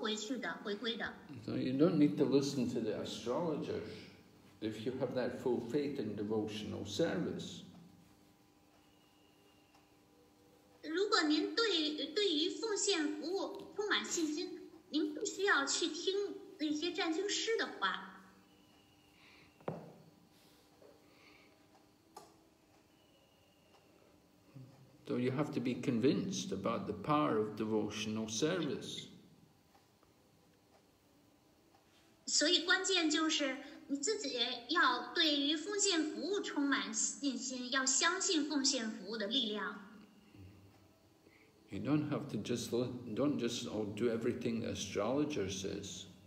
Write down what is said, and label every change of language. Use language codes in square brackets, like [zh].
[en] So you don't need to listen to the astrologers. If you have that full faith in devotional service. [zh] 如果您对于奉献服务充满信心，您不需要去听那些占星师的话。 [en] So you have to be convinced about the power of devotional service. [zh] 所以关键就是 你自己要对于奉献服务充满信心，要相信奉献服务的力量。 [en] You don't have to don't just do everything the astrologer says.